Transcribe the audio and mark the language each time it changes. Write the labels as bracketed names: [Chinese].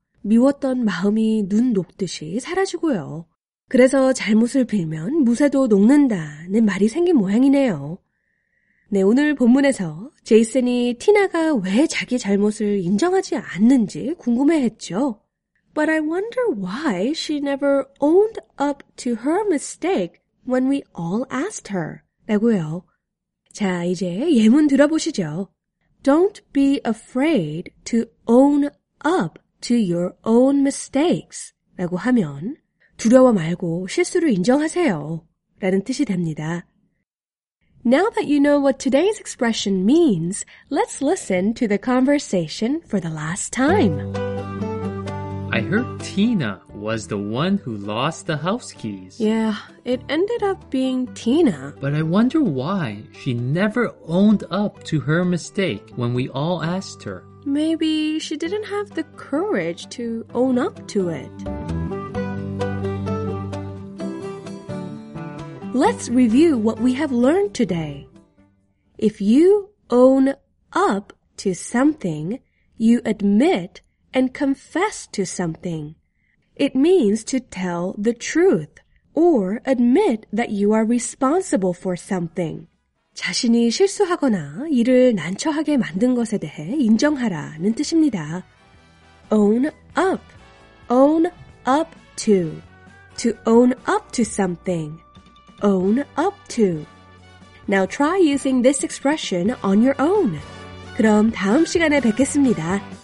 [Korean] 미웠던 마음이 눈 녹듯이 사라지고요. 그래서 잘못을 빌면 무쇠도 녹는다는 말이 생긴 모양이네요. 네, 오늘 본문에서 제이슨이 티나가 왜 자기 잘못을 인정하지 않는지 궁금해했죠. [English] But I wonder why she never owned up to her mistake when we all asked her. [Korean] 라고요. 자, 이제 예문 들어보시죠. [English] Don't be afraid to own up to your own mistakes. [Korean] 라고 하면 두려워 말고 실수를 인정하세요. 라는 뜻이 됩니다. [English] Now that you know what today's expression means, let's listen to the conversation for the last time. I heard Tina was the one who lost the house keys. Yeah, it ended up being Tina. But I wonder why she never owned up to her mistake when we all asked her. Maybe she didn't have the courage to own up to it. Let's review what we have learned today. If you own up to something, you admit and confess to something. It means to tell the truth or admit that you are responsible for something. [Korean] 자신이 실수하거나 일을 난처하게 만든 것에 대해 인정하라는 뜻입니다. [English] Own up to own up to something. Own up to. Now try using this expression on your own. [Korean] 그럼 다음 시간에 뵙겠습니다.